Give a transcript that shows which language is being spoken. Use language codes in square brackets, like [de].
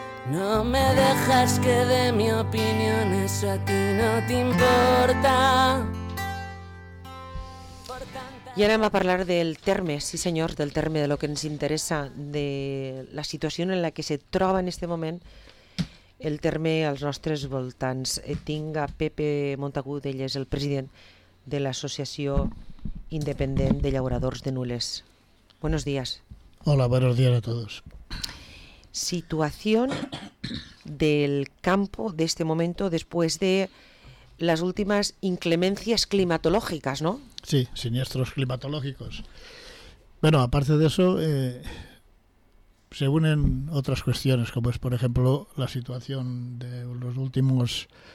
[es] No me dejas que dé mi opinión, eso a ti no te importa. [ca] I ara anem a parlar del terme, sí senyor, del terme, de lo que ens interessa, de la situació en la que se troba en este moment el terme als nostres voltants. Tinc a Pepe Montagut, ell és el president de l'Associació Independent de Llauradors de Nules. [es] Buenos días. Hola, buenos días a todos. Situación del campo de este momento después de las últimas inclemencias climatológicas, ¿no? Sí, siniestros climatológicos. Bueno, aparte de eso, se unen otras cuestiones, como es, por ejemplo, la situación de los últimos